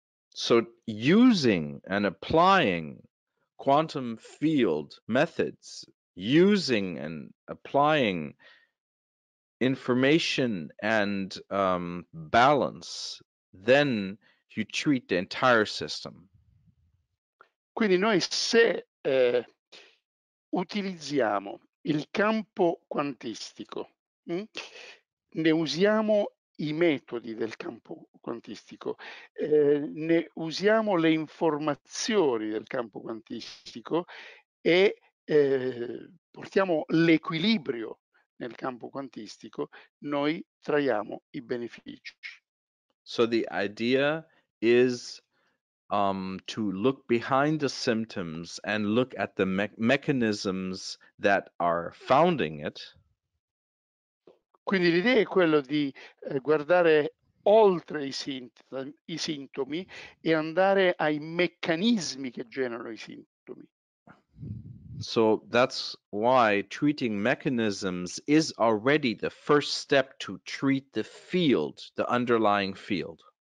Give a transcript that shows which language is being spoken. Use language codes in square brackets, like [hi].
[en] So using and applying quantum field methods, using and applying information and balance, then you treat the entire system. [it] Quindi noi se utilizziamo il campo quantistico, ne usiamo i metodi del campo quantistico, ne usiamo le informazioni del campo quantistico e portiamo l'equilibrio nel campo quantistico, noi traiamo i benefici. [en] So the idea is to look behind the symptoms and look at the mechanisms that are founding it. [it] Quindi l'idea è quello di guardare oltre i sintomi e andare ai meccanismi che generano i sintomi. [en] So that's why treating mechanisms is already the first step to treat the field, the underlying field.